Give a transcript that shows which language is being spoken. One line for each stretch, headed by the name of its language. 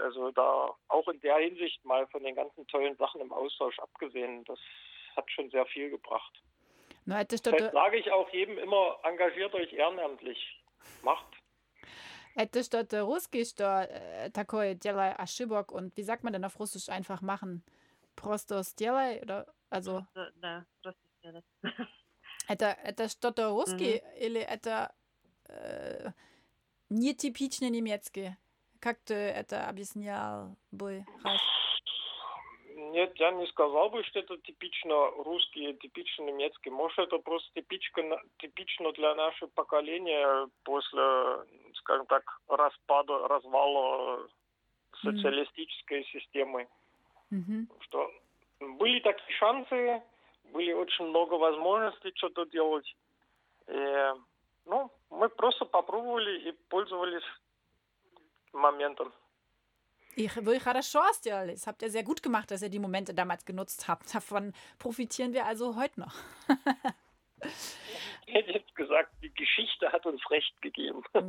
German: Also da auch in der Hinsicht mal von den ganzen tollen Sachen im Austausch abgesehen, das hat schon sehr viel gebracht. No, das sage ich auch jedem immer, engagiert euch ehrenamtlich. Macht.
Russian: Это что-то русский, что такое делай ошибок
German: und wie sagt man denn auf Russisch einfach machen?
Russian: Просто сделай?
German: Oder, also?
Russian: Да, просто сделай. Это что-то русский или это нетипичный немецкий? Как ты это объяснял бы? Нет, я не сказал бы, что это типично русский, типично немецкий. Может, это просто типично для нашего поколения после, скажем так, распада, развала социалистической системы. Что были такие шансы, были очень много возможностей что-то делать. И, ну, мы просто попробовали и пользовались моментом. Вы хорошо сделали.
German: Das habt ihr sehr gut gemacht, dass ihr die Momente damals genutzt habt. Davon profitieren wir also heute noch. Ich hätte jetzt gesagt, die Geschichte hat uns recht gegeben.